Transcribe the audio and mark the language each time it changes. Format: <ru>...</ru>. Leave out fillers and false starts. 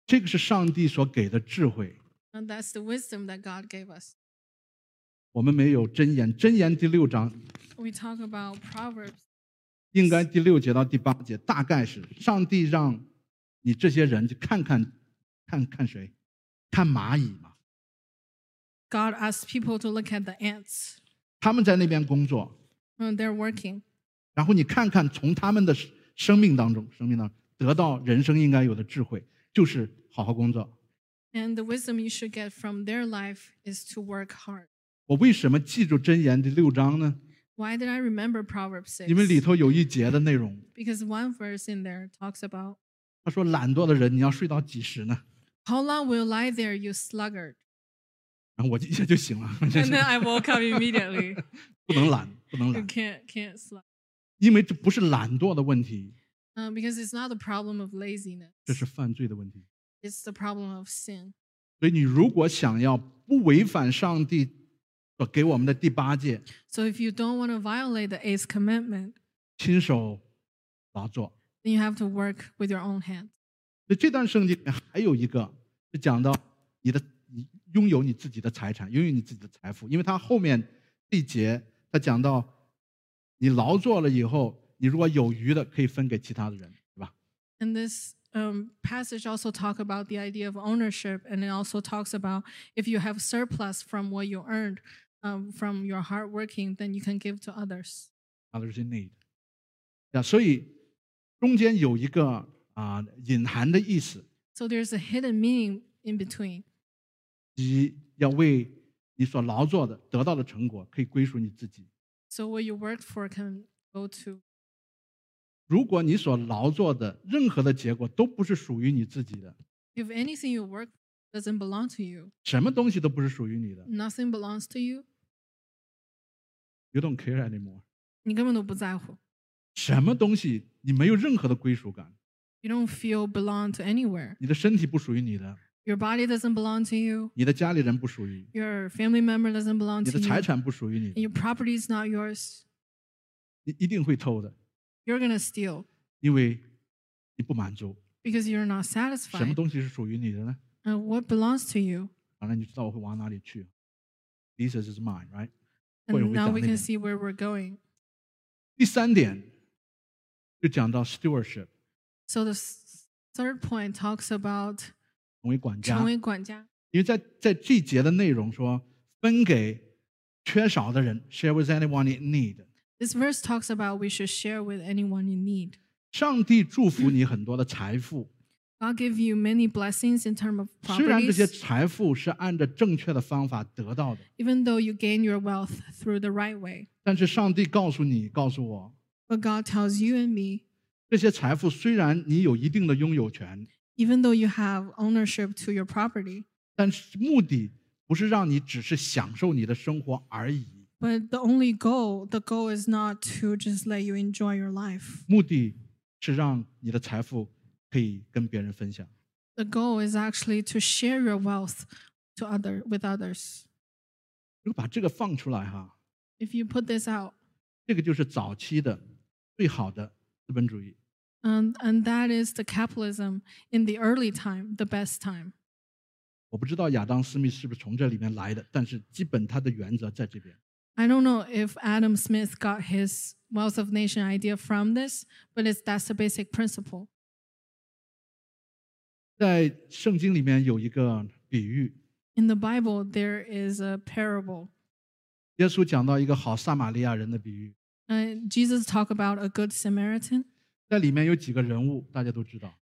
<zh>这个是上帝所给的智慧。</zh> <en>And that's the wisdom that God gave us.</en> <zh>我们没有箴言。箴言第六章。</zh> <en>We talk about Proverbs.</en> <zh>应该第六节到第八节，大概是上帝让你这些人就看看，看看谁，看蚂蚁嘛。</zh> <en>God asked people to look at the ants.</en> <zh>他们在那边工作。</zh> <en>They're working.</en> <zh>然后你看看从他们的生命当中得到人生应该有的智慧，就是好好工作。</zh> <en>And the wisdom you should get from their life is to work hard.</en> <zh>我为什么记住箴言第六章呢？</zh> <en>Why did I remember Proverbs 6?</en> <zh>因为里头有一节的内容。</zh> <en>Because one verse in there talks about.</en> <zh>他说懒惰的人你要睡到几时呢</zh> <en>How long will you lie there, you sluggard?</en> <zh>然后我一下就醒了</zh> <en>And then I woke up immediately.</en> <zh>不能懒</zh> <en>You can't slug.</en> <zh>因为这不是懒惰的问题</zh> <en>Because it's not the problem of laziness.</en> <zh>这是犯罪的问题</zh> <en>It's the problem of sin.</en> <zh>所以你如果想要不违反上帝所给我们的第八诫</zh> <en>So if you don't want to violate the eighth commandment,</en> <zh>亲手劳作</zh> <en>Then you have to work with your own hands.</en> <zh>所以这段圣经里面还有一个是讲到你的拥有你自己的财产，拥有你自己的财富。因为他后面这一节他讲到你劳作了以后，你如果有余的，可以分给其他的人，对吧</zh> <en>？And this passage also talk about the idea of ownership, and it also talks about if you have surplus from what you earned from your hard working, then you can give to others. Others in need. Yeah,</en> <zh>所以。中间有一个、隐含的意思。</zh> <en>So there's a hidden meaning in between.</en> <zh>你要为你所劳作的得到的成果可以归属你自己。</zh> <en>So what you worked for can go to.</en> <zh>如果你所劳作的任何的结果都不是属于你自己的。</zh> <en>If anything you work doesn't belong to you.</en> <zh>什么东西都不是属于你的。</zh> <en>Nothing belongs to you. You don't care anymore.</en> <zh>你根本都不在乎。什么东西你没有任何的归属感</zh> <en>You don't feel belong to anywhere</en> <zh>你的身体不属于你的</zh> <en>Your body doesn't belong to you</en> <zh>你的家里人不属于</zh> <en>Your family member doesn't belong to you</en> <zh>你的财产不属于你</zh> <en>And your property is not yours</en> <zh>你一定会偷的</zh> <en>You're gonna steal</en> <zh>因为你不满足</zh> <en>Because you're not satisfied</en> <zh>什么东西是属于你的呢</zh> <en>And what belongs to you</en> <zh>反正你知道我会往哪里去</zh> <en>Jesus is mine, right? And now we can see where we're going</en> <zh>第三点就讲到 stewardship.</zh> <en>So the third point talks about</en> <zh>成为管家。因为 在这节的内容说分给缺少的人</zh> <en>share with anyone in need. This verse talks about we should share with anyone in need.</en> <zh>上帝祝福你很多的财富。</zh> <en>God give you many blessings in terms of properties.</en> <zh>虽然这些财富是按着正确的方法得到的。</zh> <en>Even though you gain your wealth through the right way.</en> <zh>但是上帝告诉你，告诉我。</zh> <en>But God tells you and me.</en> <zh>这些财富虽然你有一定的拥有权。</zh> <en>Even though you have ownership to your property.</en> <zh>但是目的不是让你只是享受你的生活而已。</zh> <en>But the goal is not to just let you enjoy your life.</en> <zh>目的是让你的财富可以跟别人分享。</zh> <en>The goal is actually to share your wealth with others.</en> <zh>如果把这个放出来哈。</zh> <en>If you put this out.</en> <zh>这个就是早期的最好的资本主义。</zh> <en>And that is the capitalism in the early time, the best time.</en> <zh>我不知道亚当·斯密是不是从这里面来的，但是基本他的原则在这边。</zh> <en>I don't know if Adam Smith got his Wealth of Nation idea from this, but that's the basic principle.</en> <zh>在圣经里面有一个比喻。</zh> <en>In the Bible, there is a parable.</en> <zh>耶稣讲到一个好撒玛利亚人的比喻。</zh> <en>Jesus talked about a good Samaritan.</en> <zh>在里面有几个人物，大家都知道。</zh>